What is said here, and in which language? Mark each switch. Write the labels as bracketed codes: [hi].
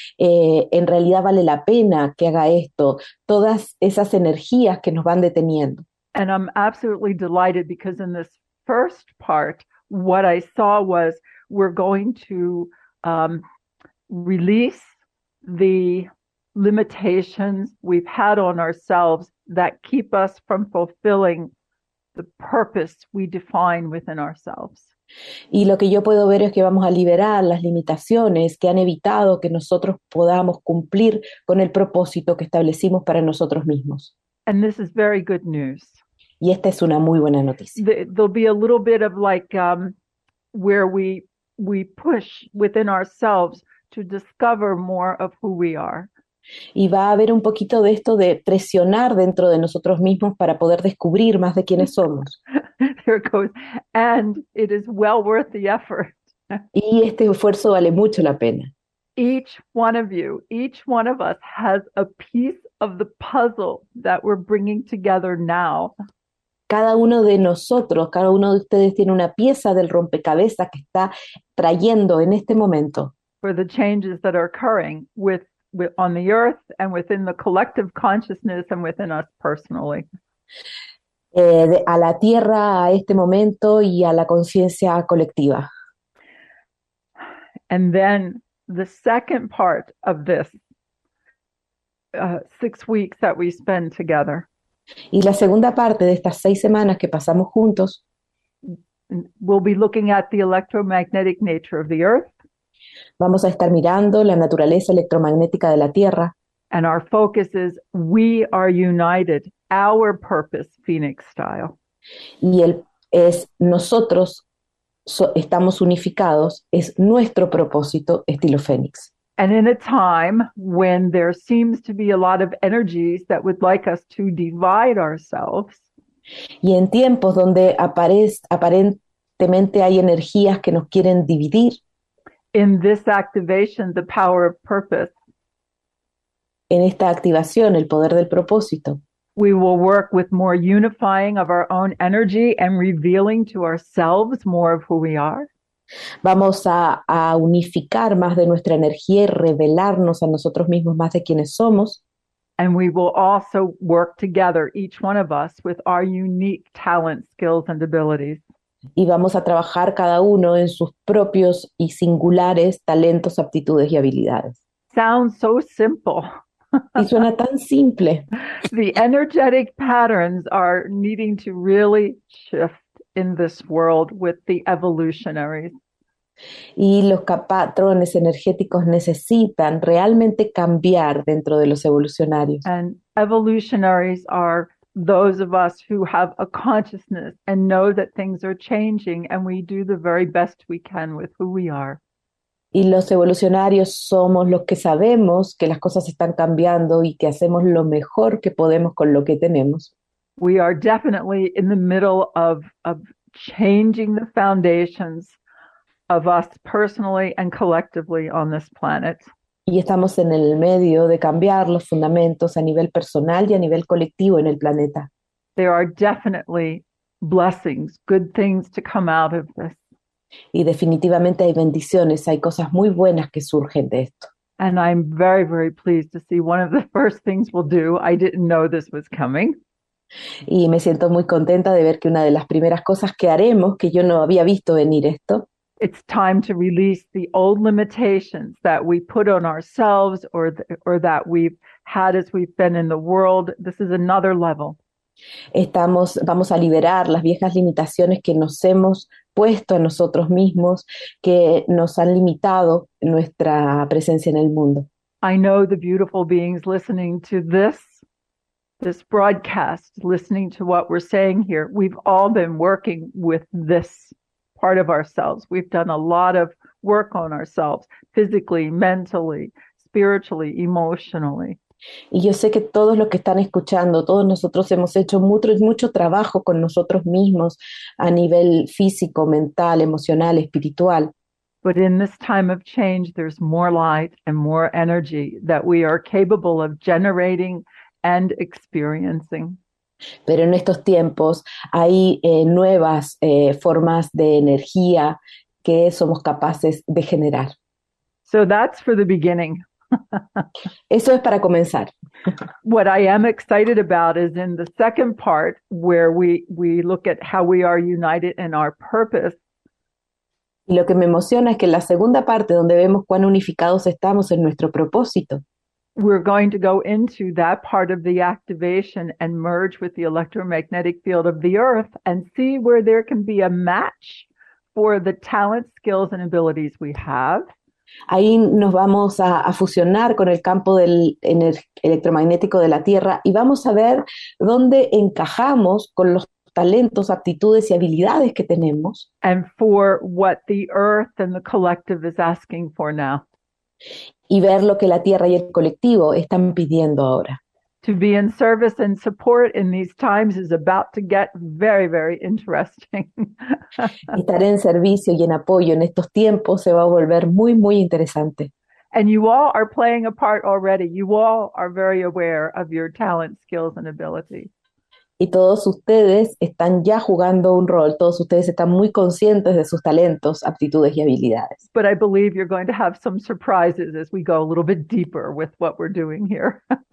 [es] ¿En realidad vale la pena que haga esto? Todas esas energías que nos van deteniendo. [en] And I'm absolutely delighted because in this first part, what I saw was we're going to release the limitations we've had on ourselves that keep us from fulfilling the purpose we define within ourselves. [es] Y lo que yo puedo ver es que vamos a liberar las limitaciones que han evitado que nosotros podamos cumplir con el propósito que establecimos para nosotros mismos. [en] And this is very good news. [es] Y esta es una muy buena noticia. [en] There'll be a little bit of like where we push within ourselves to discover more of who we are. [es] Y va a haber un poquito de esto de presionar dentro de nosotros mismos para poder descubrir más de quiénes somos. [en] It goes. And it is well worth the effort. [es] Y este esfuerzo vale mucho la pena. [en] Each one of you, each one of us has a piece of the puzzle that we're bringing together now. [es] Cada uno de nosotros, cada uno de ustedes tiene una pieza del rompecabezas que está trayendo en este momento. [en] For the changes that are occurring with on the earth and within the collective consciousness and within us personally. [es] A la tierra, a este momento y a la conciencia colectiva. [en] And then the second part of this 6 weeks that we spend together [es] Y la segunda parte de estas 6 semanas que pasamos juntos, [en] we'll be looking at the electromagnetic nature of the earth. [es] vamos a estar mirando la naturaleza electromagnética de la Tierra. [en] And our focus is we are united, our purpose, Phoenix style. [es] Y él es nosotros estamos unificados, es nuestro propósito, estilo Fénix. [en] And in a time when there seems to be a lot of energies that would like us to divide ourselves. [es] Y en tiempos donde aparentemente hay energías que nos quieren dividir, [en] In this activation, the power of purpose. [es] en esta activación, el poder del propósito, [en] We will work with more unifying of our own energy and revealing to ourselves more of who we are. [es] vamos a unificar más de nuestra energía y revelarnos a nosotros mismos más de quiénes somos. [en] And we will also work together, each one of us, with our unique talents, skills, and abilities. [es] Y vamos a trabajar cada uno en sus propios y singulares talentos, aptitudes y habilidades. [en] Sounds so simple. [es] Y suena tan simple. [en] The energetic patterns are needing to really shift in this world with the evolutionaries. [es] Y los patrones energéticos necesitan realmente cambiar dentro de los evolucionarios. [en] And evolutionaries are those of us who have a consciousness and know that things are changing, and we do the very best we can with who we are. [es] Y los evolucionarios somos los que sabemos que las cosas están cambiando y que hacemos lo mejor que podemos con lo que tenemos. [en] We are definitely in the middle of changing the foundations of us personally and collectively on this planet. [es] Y estamos en el medio de cambiar los fundamentos a nivel personal y a nivel colectivo en el planeta. [en] There are definitely blessings, good things to come out of this. [es] Y definitivamente hay bendiciones, hay cosas muy buenas que surgen de esto. [en] And I'm very, very pleased to see one of the first things we'll do. I didn't know this was coming. [es] Y me siento muy contenta de ver que una de las primeras cosas que haremos, que yo no había visto venir esto, [en] It's time to release the old limitations that we put on ourselves or that we've had as we've been in the world. This is another level. [es] vamos a liberar las viejas limitaciones que nos hemos puesto a nosotros mismos, que nos han limitado nuestra presencia en el mundo. [en] I know the beautiful beings listening to this this broadcast, listening to what we're saying here, we've all been working with this part of ourselves. We've done a lot of work on ourselves, physically, mentally, spiritually, emotionally. [es] Y yo sé que todos los que están escuchando, todos nosotros hemos hecho mucho, mucho trabajo con nosotros mismos a nivel físico, mental, emocional, espiritual. [en] But in this time of change, there's more light and more energy that we are capable of generating and experiencing. [es] Pero en estos tiempos hay nuevas formas de energía que somos capaces de generar. [en] So that's for the beginning. [es] Eso es para comenzar. [en] What I am excited about is in the second part where we look at how we are united in our purpose. [es] Y lo que me emociona es que en la segunda parte donde vemos cuán unificados estamos en nuestro propósito. [en] We're going to go into that part of the activation and merge with the electromagnetic field of the earth and see where there can be a match for the talents, skills and abilities we have. [es] Ahí nos vamos a fusionar con el campo del electromagnético de la Tierra y vamos a ver dónde encajamos con los talentos, aptitudes y habilidades que tenemos. [en] And for what the Earth and the collective is asking for now. [es] Y ver lo que la Tierra y el colectivo están pidiendo ahora. [en] To be in service and support in these times is about to get very, very interesting. [es] Estar en servicio y en apoyo en estos tiempos se va a volver muy, muy interesante. [en] And you all are playing a part already. You all are very aware of your talent, skills, and ability. [es] Y todos ustedes están ya jugando un rol. Todos ustedes están muy conscientes de sus talentos, aptitudes y habilidades. [en] But I believe you're going to have some surprises as we go a little bit deeper with what we're doing here.